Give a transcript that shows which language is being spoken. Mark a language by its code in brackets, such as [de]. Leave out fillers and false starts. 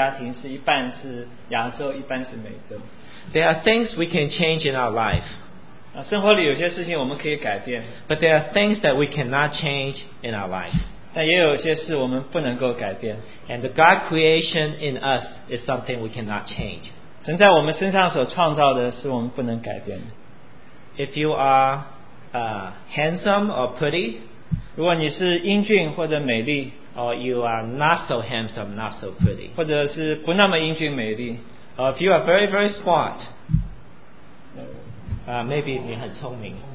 [zh] 我不知道Luke能不能接受他自己,神把他创造他,把他放在这个家庭,是一半是亚洲,一半是美洲。 [en] There are things we can change in our life. [zh] 生活里有些事情我们可以改变。 [en] But there are things that we cannot change in our life. [zh] 但也有些事我们不能够改变。 [en] And the God creation in us is something we cannot change. [zh] 神在我们身上所创造的是我们不能改变的。 [en] If you are handsome or pretty, [zh] 如果你是英俊或者美丽, [en] or you are not so handsome, not so pretty, [zh] 或者是不那么英俊美丽, [en] or if you are very, very smart, maybe [zh] 你很聪明,